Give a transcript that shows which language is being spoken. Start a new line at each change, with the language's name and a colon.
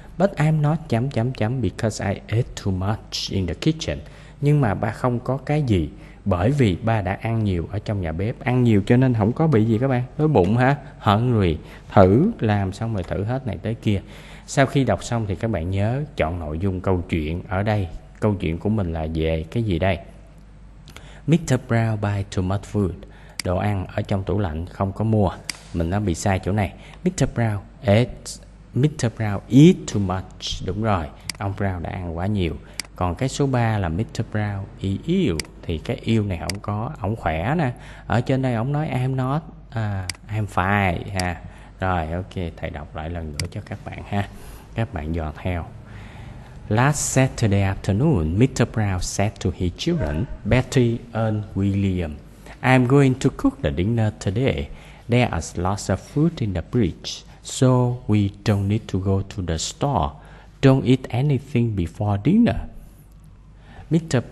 English: But I'm not
Vietnamese: chấm chấm chấm
English: because I ate too much in the kitchen.
Vietnamese: Nhưng mà ba không có cái gì bởi vì ba đã ăn nhiều ở trong nhà bếp. Ăn nhiều cho nên không có bị gì các bạn. Đói bụng ha? Hungry. Thử làm xong rồi thử hết này tới kia. Sau khi đọc xong thì các bạn nhớ chọn nội dung câu chuyện. Ở đây câu chuyện của mình là về cái gì đây? Mr.
English: Brown buy too much food.
Vietnamese: Đồ ăn ở trong tủ lạnh không có mua. Mình đã bị sai chỗ này.
English: Mr. Brown eat too much.
Vietnamese: Đúng rồi, ông Brown đã ăn quá nhiều. Còn cái số 3 là
English: Mr. Brown he ill.
Vietnamese: Thì cái ill này không có, ổng khỏe nè. Ở trên đây ổng nói
English: I'm not, I'm fine
Vietnamese: ha. Rồi ok, thầy đọc lại lần nữa cho các bạn ha. Các bạn dò theo.
English: Last Saturday afternoon,
Vietnamese: Mr.
English: Brown said to his children, Betty and William, I'm going to cook the dinner today. There is lots of food in the fridge, so we don't need to go to the store. Don't eat anything before dinner. Mr.